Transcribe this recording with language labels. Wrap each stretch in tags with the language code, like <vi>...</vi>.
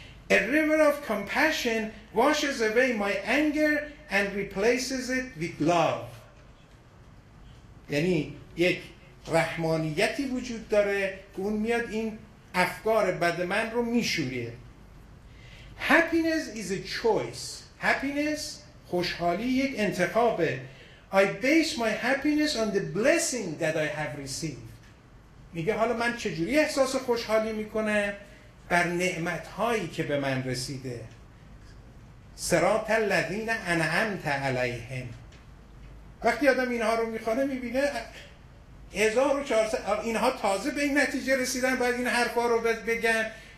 <en>A river of compassion washes away my anger and replaces it with love.</en> <fa>یعنی یک رحمانیتی وجود داره که اون میاد این افکار بد من رو میشوره.</fa> <en>Happiness is a choice.</en> <fa>Happiness، خوشحالی یک انتخابه.</fa> <en>I base my happiness on the blessing that I have received.</en> <fa>میگه حالا من چجوری احساس خوشحالی میکنم؟ بر نعمتهایی که به من رسیده.</fa> <ar>صراط الذین انعمت علیهم.</ar> <fa>وقتی آدم اینها رو میخونه میبینه 1400 اینها تازه به این نتیجه رسیدن بعد این حرفا رو بگن.</fa>